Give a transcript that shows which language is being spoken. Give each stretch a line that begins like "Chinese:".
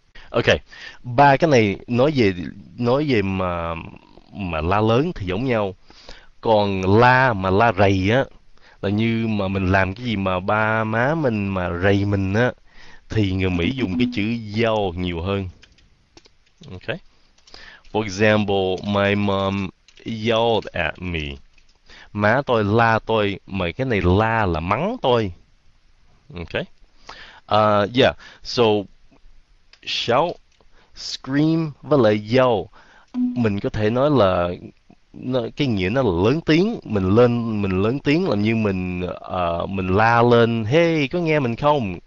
Vietnamese: Ok, ba cái này nói về mà la lớn thì giống nhau. Còn la mà la rầy á, là như mà mình làm cái gì mà ba má mình mà rầy mình á, thì người Mỹ dùng cái chữ yell nhiều hơn. Ok.
English: For example, my mom yelled at me.
Vietnamese: Má tôi la tôi, mà cái này la là mắng tôi. Ok. Yeah, so shout, scream và lại yell, mình có thể nói là nó, cái nghĩa nó là lớn tiếng, mình lớn tiếng làm như mình la lên, hey có nghe mình không?